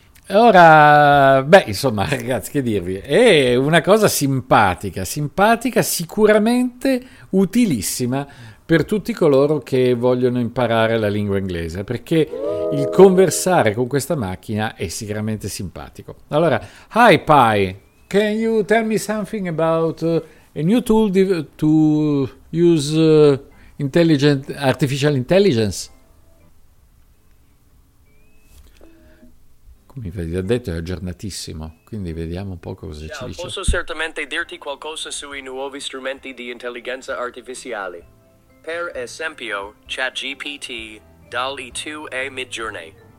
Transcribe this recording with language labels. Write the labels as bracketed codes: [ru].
[it] Ora, beh, insomma, ragazzi, che dirvi, è una cosa simpatica, sicuramente utilissima per tutti coloro che vogliono imparare la lingua inglese, perché il conversare con questa macchina è sicuramente simpatico. [en] Allora, hi Pi, can you tell me something about a new tool to use artificial intelligence? [it] Come vi ho detto, è aggiornatissimo, quindi vediamo un po' cosa ci dice. Posso certamente dirti qualcosa sui nuovi strumenti di intelligenza artificiale. Per esempio, ChatGPT, DALL-E 2 e Midjourney.